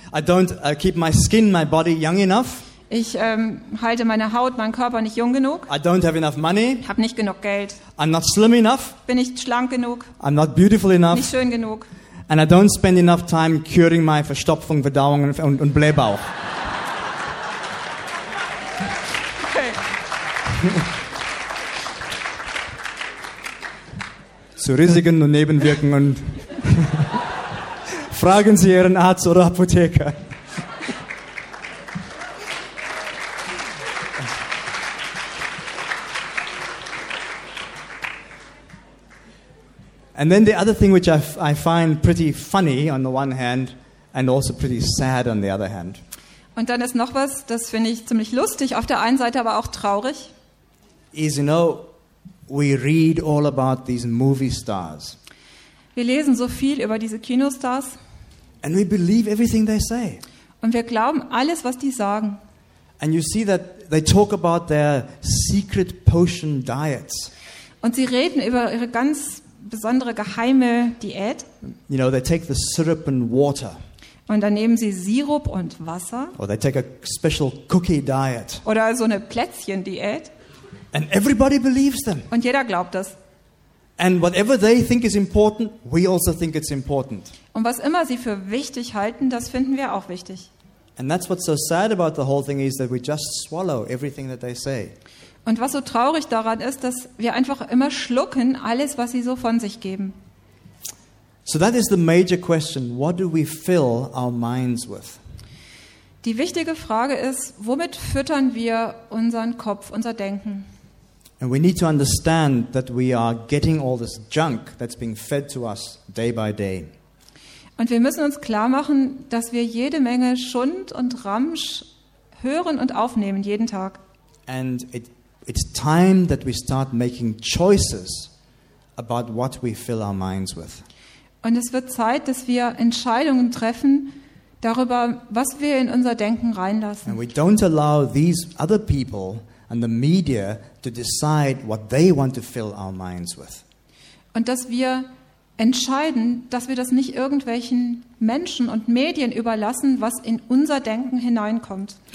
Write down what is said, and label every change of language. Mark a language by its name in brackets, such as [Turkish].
[English] I don't keep my skin, my body young enough. [German] Ich halte meine Haut, meinen Körper nicht jung genug. [English] I don't have enough money. [German] Habe nicht genug Geld. [English] I'm not slim enough. [German] Bin nicht schlank genug. [English] I'm not beautiful enough. [German] Nicht schön genug. [English] And I don't spend enough time curing my [German] Verstopfung, Verdauung und Blähbauch. [English] Okay. [German] Zu Risiken und Nebenwirkungen und fragen Sie Ihren Arzt oder Apotheker. [English] And then the other thing which I find pretty funny on the one hand and also pretty sad on the other hand. [German] Und dann ist noch was, das finde ich ziemlich lustig auf der einen Seite, aber auch traurig. [English] Is, you know, we read all about these movie stars. [German] Wir lesen so viel über diese Kinostars. [English] And we believe everything they say. [German] Und wir glauben alles, was die sagen. [English] And you see that they talk about their secret potion diets. [German] Und sie reden über ihre ganz besondere geheime Diät. [English] You know, they take the syrup and water. [German] Und dann nehmen sie Sirup und Wasser. [English] Or they take a special cookie diet. [German] Oder so eine Plätzchen-Diät. [English] And everybody believes them. [German] Und jeder glaubt das. [English] And whatever they think is important, we also think it's important. [German] Und was immer sie für wichtig halten, das finden wir auch wichtig. [English] And that's what's so sad about the whole thing is that we just swallow everything that they say. [German] Und was so traurig daran ist, dass wir einfach immer schlucken alles, was sie so von sich geben. [English] So that is the major question. What do we fill our minds with? [German] Die wichtige Frage ist, womit füttern wir unseren Kopf, unser Denken? [English] And we need to understand that we are getting all this junk that's being fed to us day by day. [German] Und wir müssen uns klar machen, dass wir jede Menge Schund und Ramsch hören und aufnehmen jeden Tag. [English] And it's time that we start making choices about what we fill our minds with. [German] Und es wird Zeit, dass wir Entscheidungen treffen darüber, was wir in unser Denken reinlassen. [English] And we don't allow these other people and the media to decide what they want to fill our minds with. [German] Und dass wir entscheiden, dass wir das nicht irgendwelchen Menschen und Medien überlassen, was in unser Denken hineinkommt.